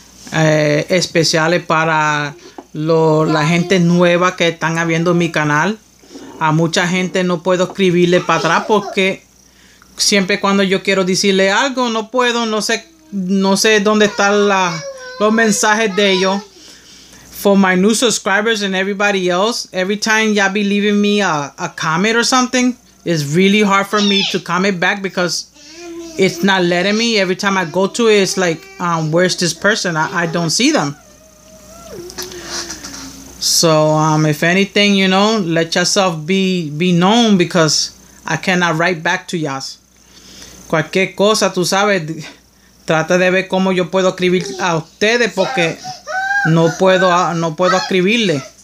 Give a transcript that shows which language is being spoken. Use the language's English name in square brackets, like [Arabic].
[Spanish] Especiales para la gente nueva que están viendo mi canal. A mucha gente no puedo escribirle para atrás porque siempre cuando yo quiero decirle algo, no puedo, no sé dónde están los mensajes de ellos. [English] For my new subscribers and everybody else, every time y'all be leaving me a comment or something, it's really hard for me to comment back because it's not letting me. Every time I go to it, it's like, where's this person? I don't see them. So, if anything, you know, let yourself be known because I cannot write back to y'all. [Spanish] Cualquier cosa, tú sabes, trata de ver cómo yo puedo escribir a ustedes porque no puedo escribirle.